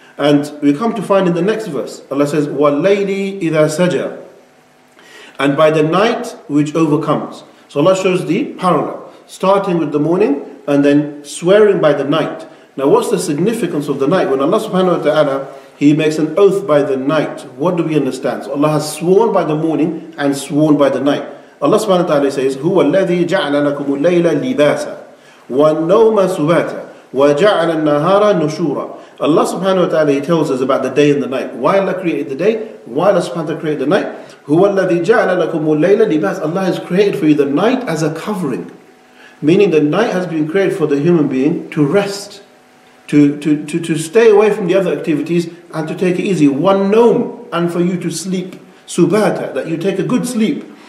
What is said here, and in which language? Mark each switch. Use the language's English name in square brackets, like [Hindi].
[English] And we come to find in the next verse, Allah says, [Arabic] وَاللَّيْلِ إِذَا سَجَى, [English] and by the night which overcomes. So Allah shows the parallel, starting with the morning and then swearing by the night. Now what's the significance of the night? When Allah subhanahu wa ta'ala, He makes an oath by the night, what do we understand? So Allah has sworn by the morning and sworn by the night. Allah subhanahu wa ta'ala says, [Arabic] هُوَ الَّذِي جَعْلَ لَكُمُ اللَّيْلَ لِبَاسًا وَالنَّوْمَ سُبَاتًا وَجَعْلَ النَّهَارَ نُشُورًا. [English] Allah subhanahu wa ta'ala, He tells us about the day and the night. Why Allah created the day? Why Allah subhanahu wa ta'ala created the night? [Arabic] هُوَ الَّذِي جَعْلَ لَكُمُ اللَّيْلَ لِبَاسًا. [English] Allah has created for you the night as a covering. Meaning the night has been created for the human being to rest, to stay away from the other activities and to take it easy. One nawm, and for you to sleep. [Arabic] سُبَاتَ, [English] that you take a good sleep.